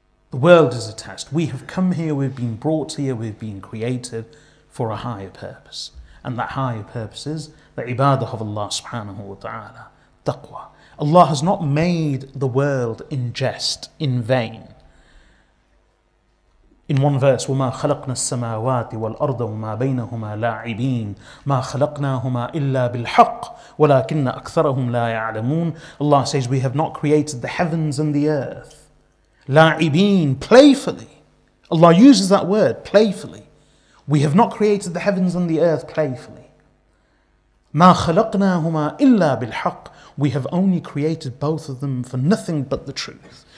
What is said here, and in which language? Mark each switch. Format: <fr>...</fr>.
<en>The world is a test. We have come here, we've been brought here, we've been created for a higher purpose. And that higher purpose is the ibadah of Allah subhanahu wa ta'ala, taqwa. Allah has not made the world in jest, in vain. In one verse,</en> <ar>وَمَا خَلَقْنَا السَّمَاوَاتِ وَالْأَرْضَ وَمَا بَيْنَهُمَا لَاعِبِينَ مَا خَلَقْنَاهُمَا إِلَّا بِالْحَقِّ وَلَكِنَّ أَكْثَرَهُمْ لَا يَعْلَمُونَ.</ar> <en>Allah says, we have not created the heavens and the earth. La'ibin, playfully. Allah uses that word, playfully. We have not created the heavens and the earth playfully.</en> <ar>Ma khalaqnahuma illa bilhaq.</ar> <en>We have only created both of them for nothing but the truth.</en>